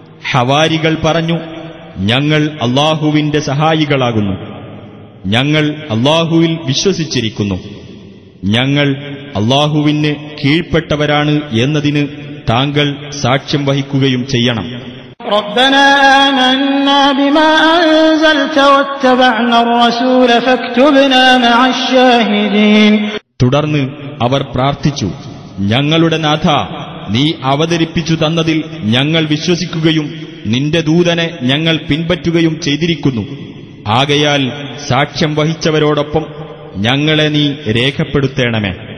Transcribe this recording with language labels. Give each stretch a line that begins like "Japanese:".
Malayalam: ഹവാരികൾ പറഞ്ഞു, ഞങ്ങൾ അല്ലാഹുവിന്റെ സഹായികളാകുന്നു. ഞങ്ങൾ അല്ലാഹുവിൽ വിശ്വസിച്ചിരിക്കുന്നു. ഞങ്ങൾ അല്ലാഹുവിന് കീഴ്പ്പെട്ടവരാണ് എന്നതിന് താങ്കൾ സാക്ഷ്യം വഹിക്കുകയും ചെയ്യണം.
Arabic: ربنا آمنا بما أنزلت واتبعنا الرسول فاكتبنا مع الشاهدين.
Malayalam: തുടർന്ന് അവർ പ്രാർത്ഥിച്ചു, ഞങ്ങളുടെ നാഥ, നീ അവതരിപ്പിച്ചു തന്നതിൽ ഞങ്ങൾ വിശ്വസിക്കുകയും നിന്റെ ദൂതനെ ഞങ്ങൾ പിൻപറ്റുകയും ചെയ്തിരിക്കുന്നു. ആകയാൽ സാക്ഷ്യം വഹിച്ചവരോടൊപ്പം ഞങ്ങളെ നീ രേഖപ്പെടുത്തേണമേ.